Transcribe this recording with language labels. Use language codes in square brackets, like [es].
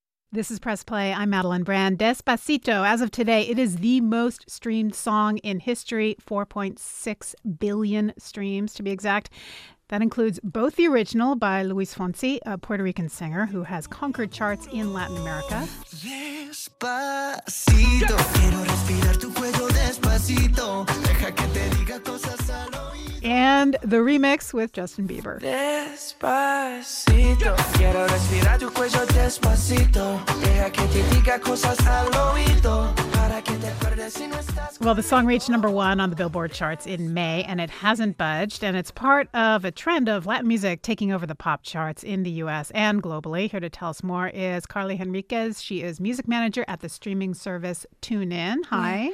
[en] This is Press Play. I'm Madeline Brand. Despacito, as of today, it is the most streamed song in history. 4.6 billion streams, to be exact. That includes both the original by Luis Fonsi, a Puerto Rican singer who has conquered charts in Latin America. [es] Despacito, quiero respirar tu cuello despacito, deja que te diga cosas al oído. [en] And the remix with Justin Bieber. [es] Despacito, quiero respirar tu cuello despacito, deja que te diga cosas al oído. [en] Well, the song reached number one on the Billboard charts in May, and it hasn't budged. And it's part of a trend of Latin music taking over the pop charts in the U.S. and globally. Here to tell us more is Carly Henriquez. She is music manager at the streaming service TuneIn. Hi.